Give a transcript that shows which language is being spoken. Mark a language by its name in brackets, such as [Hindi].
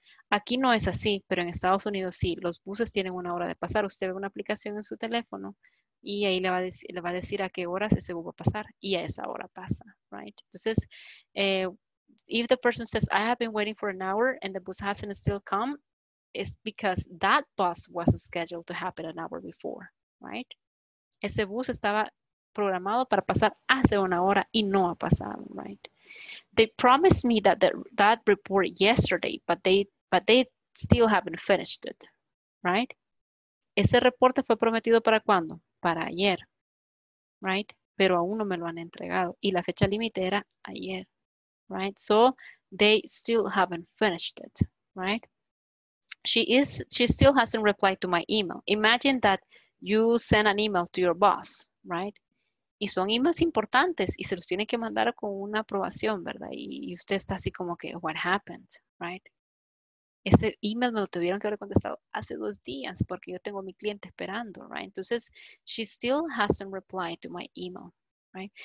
[Spanish] Aquí no es así, pero en Estados Unidos sí, los buses tienen una hora de pasar. Usted ve una aplicación en su teléfono y ahí le va a decir a qué horas ese bus va a pasar y a esa hora pasa, right? [English] Entonces, if the person says, I have been waiting for an hour and the bus hasn't still come, it's because that bus was scheduled to happen an hour before, right? [Spanish] Ese bus estaba programado para pasar hace una hora y no ha pasado, right? [English] They promised me that report yesterday, but they still haven't finished it, right? [Spanish] Ese reporte fue prometido ¿para cuándo? Para ayer, right? Pero aún no me lo han entregado y la fecha límite era ayer, right? [English] So they still haven't finished it, right? She still hasn't replied to my email. Imagine that you send an email to your boss, right? [Spanish] Y son emails importantes y se los tiene que mandar con una aprobación, ¿verdad? Y usted está así como que, [English] what happened, [Spanish] right? Ese email me lo tuvieron que haber contestado hace 2 días porque yo tengo a mi cliente esperando, right? [English] Entonces, she still hasn't replied to my email, right?